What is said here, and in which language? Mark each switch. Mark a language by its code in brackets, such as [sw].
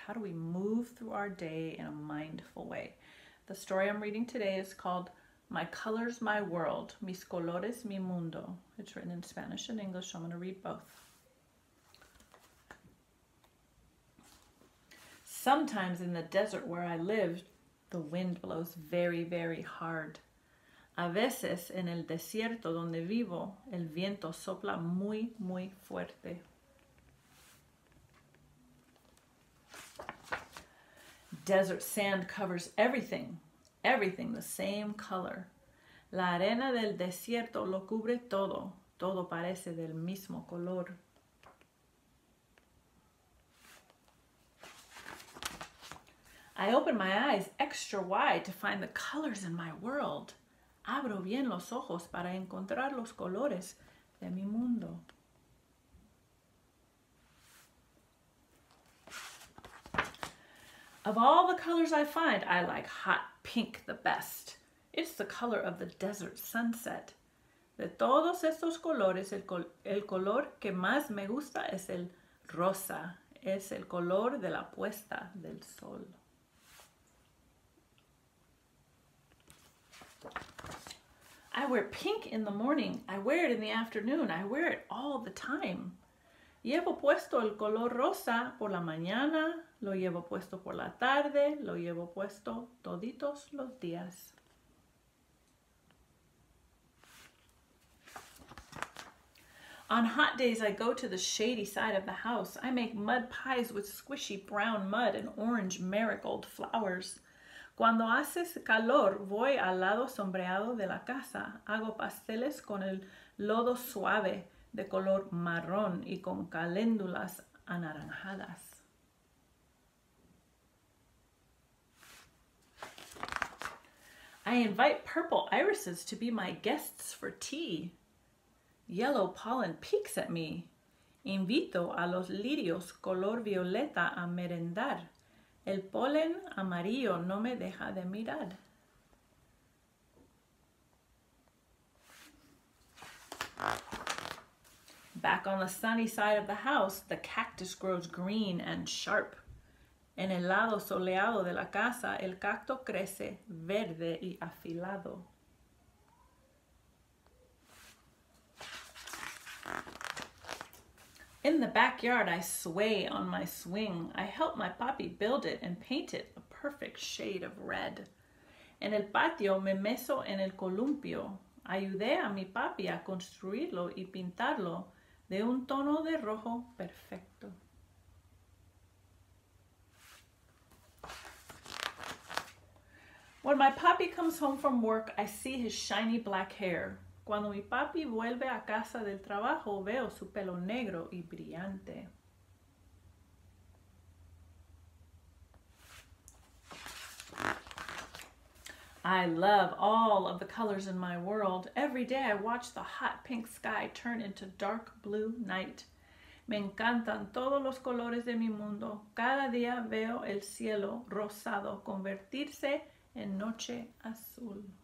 [en] How do we move through our day in a mindful way? The story I'm reading today is called My Colors, My World, Mis Colores, Mi Mundo. It's written in Spanish and English, so I'm gonna read both. Sometimes in the desert where I live, the wind blows very, very hard. [es] A veces, en el desierto donde vivo, el viento sopla muy, muy fuerte. [en] Desert sand covers everything, everything the same color. [es] La arena del desierto lo cubre todo, todo parece del mismo color. [en] I open my eyes extra wide to find the colors in my world. [es] Abro bien los ojos para encontrar los colores de mi mundo. [en] Of all the colors I find, I like hot pink the best. It's the color of the desert sunset. [es] De todos estos colores, el color que más me gusta es el rosa. Es el color de la puesta del sol. [en] I wear pink in the morning, I wear it in the afternoon, I wear it all the time. [es] Llevo puesto el color rosa por la mañana, lo llevo puesto por la tarde, lo llevo puesto toditos los días. [en] On hot days, I go to the shady side of the house. I make mud pies with squishy brown mud and orange marigold flowers. [es] Cuando hace calor, voy al lado sombreado de la casa. Hago pasteles con el lodo suave de color marrón y con caléndulas anaranjadas. [en] I invite purple irises to be my guests for tea. Yellow pollen peeks at me. [es] Invito a los lirios color violeta a merendar. El polen amarillo no me deja de mirar. [en] Back on the sunny side of the house, the cactus grows green and sharp. [es] En el lado soleado de la casa, el cacto crece verde y afilado. [en] In the backyard, I sway on my swing. I help my papi build it and paint it a perfect shade of red. [es] En el patio, me mezo en el columpio. Ayudé a mi papi a construirlo y pintarlo de un tono de rojo perfecto. [en] When my papi comes home from work, I see his shiny black hair. [es] Cuando mi papi vuelve a casa del trabajo, veo su pelo negro y brillante. [en] I love all of the colors in my world. Every day I watch the hot pink sky turn into dark blue night. [es] Me encantan todos los colores de mi mundo. Cada día veo el cielo rosado convertirse en noche azul.